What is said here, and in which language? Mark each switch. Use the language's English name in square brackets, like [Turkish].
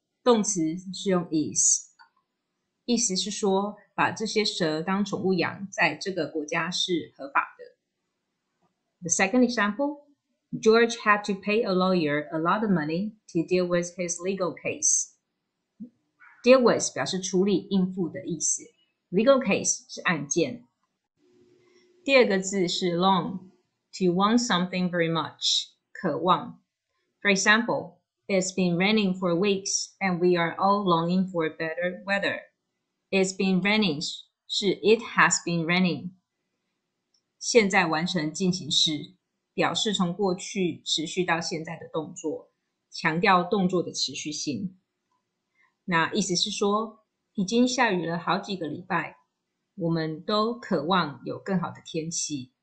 [Chinese] 动词是用 is，意思是说把这些蛇当宠物养，在这个国家是合法的。 [English] The second example, George had to pay a lawyer a lot of money to deal with his legal case. [Chinese] Deal with 表示处理、应付的意思。Legal case 是案件。第二个字是 [English] long, to want something very much, [Chinese] 渴望。 [English] For example, it's been raining for weeks and we are all longing for better weather. It's been raining 是 it has been raining. [Chinese] 现在完成进行式，表示从过去持续到现在的动作，强调动作的持续性。那意思是说，已经下雨了好几个礼拜，我们都渴望有更好的天气。